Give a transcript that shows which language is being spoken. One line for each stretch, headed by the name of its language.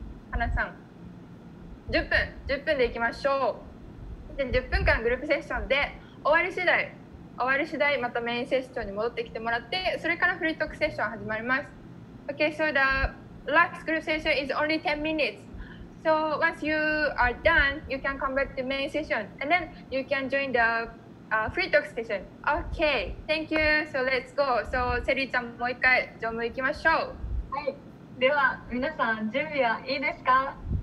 Japanese: 花さん、10分で行きましょう。で、10分間グループセッションで終わり次第またメインセッションに戻ってきてもらって、それからフリートークセッション始まります。
English: Okay, so the last group session is only 10 minutes. So once you are done, you can come back to main session and then you can join the free talk session. Okay, thank you. So let's go. So
Japanese: セリーちゃん、もう一回乗務行きましょう。はい、では皆さん準備はいいですか？